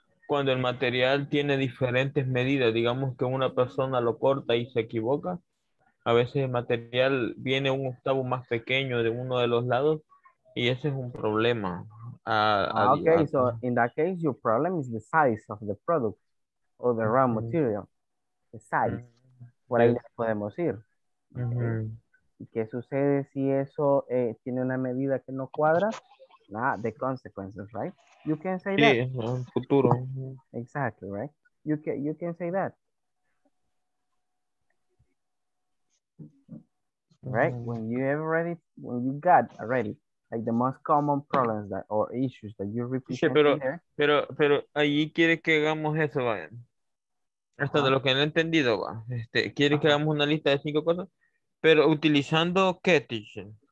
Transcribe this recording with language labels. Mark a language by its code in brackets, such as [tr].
[es] Cuando el material tiene diferentes medidas, digamos que una persona lo corta y se equivoca, a veces el material viene un octavo más pequeño de uno de los lados y ese es un problema. [en] So in that case, your problem is the size of the product or the raw material. The size. [es] Por ahí podemos ir. ¿Y qué sucede si eso tiene una medida que no cuadra? [en] Nah, the consequences, right? You can say that. [es] Futuro. [en] Exactly, right? You can say that. Right? When you got already, like the most common problems that or issues that you repeat. [es] Sí, pero allí quiere que hagamos eso, vaya. Hasta de lo que no he entendido, va. Quiere que hagamos una lista de cinco cosas, pero utilizando qué, teacher.